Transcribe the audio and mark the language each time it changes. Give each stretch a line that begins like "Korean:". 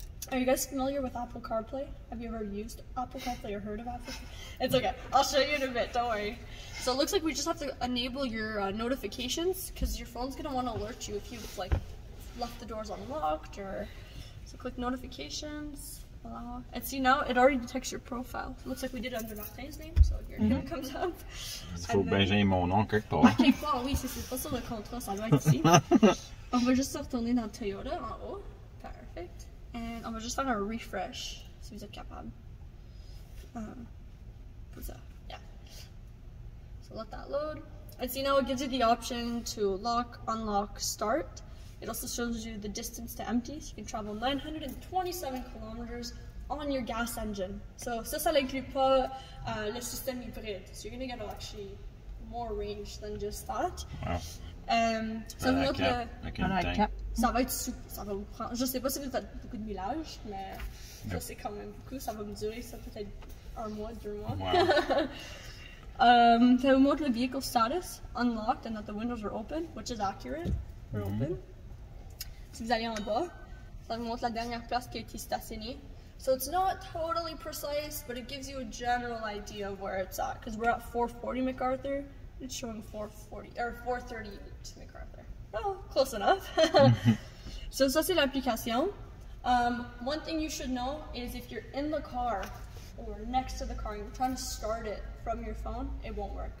English: Are you guys familiar with Apple CarPlay? Have you ever used Apple CarPlay or heard of Apple CarPlay? It's okay. I'll show you in a bit. Don't worry. So it looks like we just have to enable your notifications because your phone's going to want to alert you if you've like left the doors unlocked or... So click notifications. And see now it already detects your profile. It looks like we did it under Martin's name. So your name comes up.
French: Il faut bien gérer mon nom quelque part. Quelque part, oui. Si c'est pas sur le contrat, ça doit être ici. On va juste retourner dans Toyota en haut.
English: Perfect. And
French: on va juste faire un refresh si vous êtes capable.
English: Yeah. So let that load. It's, you know, it gives you the option to lock, unlock, start. It also shows you the distance to empty, so you can travel 927 kilometers on your gas engine.
French: So, ça, ça n'inclut pas le système hybride.
English: So, you're going to get actually more range than just that. Wow. So, like
French: ça va être super. Ça va vous prendre. Je ne sais pas si vous faites beaucoup de millage, mais ça, c'est quand même beaucoup. Ça va me durer ça peut-être un mois, deux mois. Wow. ça vous montre le
English: vehicle status, unlocked, and that the windows are open, which is accurate.
French: Open. Si vous allez en bas, ça vous montre la dernière place qui a été stationnée.
English: So it's not totally precise, but it gives you a general idea of where it's at. Because we're at 440 MacArthur, it's showing 438 MacArthur. Well, close enough. So,
French: ça c'est l'application.
English: One thing you should know is if you're in the car or next to the car and you're trying to start it from your phone, it won't work.